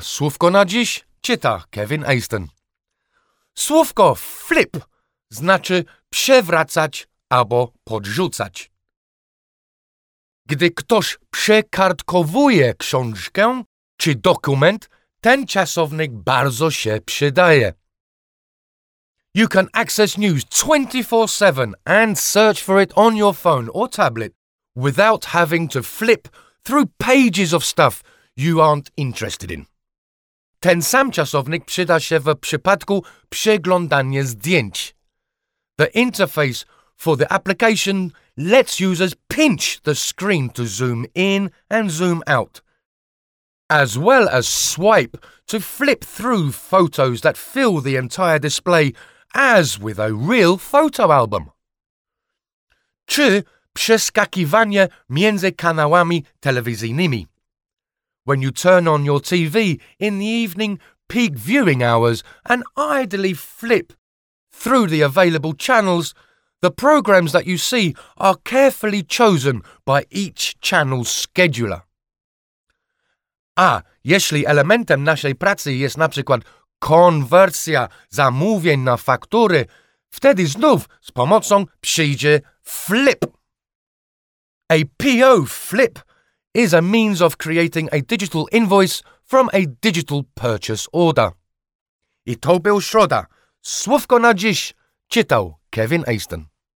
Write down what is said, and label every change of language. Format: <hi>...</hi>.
<pl>Słówko na dziś czyta Kevin Aston. Słówko flip znaczy przewracać albo podrzucać. Gdy ktoś przekartkowuje książkę czy dokument, ten czasownik bardzo się przydaje.</pl> <en>You can access news 24/7 and search for it on your phone or tablet without having to flip through pages of stuff you aren't interested in.</en> <pl>Ten sam czasownik przyda się w przypadku przeglądania zdjęć.</pl> <en>The interface for the application lets users pinch the screen to zoom in and zoom out, as well as swipe to flip through photos that fill the entire display as with a real photo album.</en> <pl>Czy przeskakiwanie między kanałami telewizyjnymi.</pl> <en>When you turn on your TV in the evening peak viewing hours and idly flip through the available channels, the programs that you see are carefully chosen by each channel's scheduler.</en> <pl>A jeśli elementem naszej pracy jest na przykład konwersja zamówień na faktury, wtedy znów z pomocą przyjdzie flip.</pl> <en>A PO flip is a means of creating a digital invoice from a digital purchase order.</en> <pl>I to był Środa. Słówko na dziś czytał Kevin Aston.</pl>